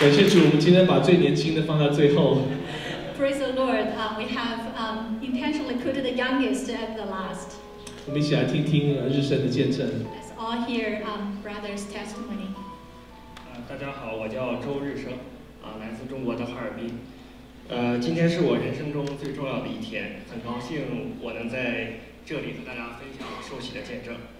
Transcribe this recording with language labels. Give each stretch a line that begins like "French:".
Chinese: 感谢主，我们今天把最年轻的放到最后。
English: Praise the Lord. We have intentionally put the youngest at the last。
Chinese: 我们一起来听听日升的见证。
English: Let's all hear Brothers testimony。
Chinese: 大家好，我叫周日升，来自中国的哈尔滨。今天是我人生中最重要的一天，很高兴我能在这里和大家分享受洗的见证。